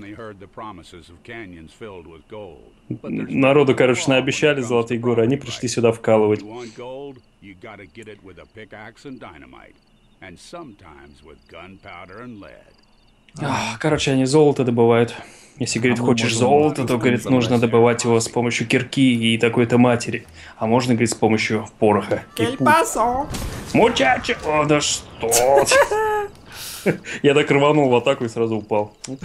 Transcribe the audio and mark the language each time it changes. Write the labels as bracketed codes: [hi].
[en] they heard the promises of canyons filled with gold. [ru] Народу, короче, наобещали золотые горы, они пришли сюда вкалывать. [en] You want gold? You gotta get it with a pickaxe and dynamite, and sometimes with gunpowder and lead. [ru] Короче, они золото добывают. Если, говорит, хочешь золото, то, говорит, нужно добывать его с помощью кирки и такой-то матери. А можно, говорит, с помощью пороха. Кельпасо! Мучачи! О, да что! Я так рванул в атаку и сразу упал.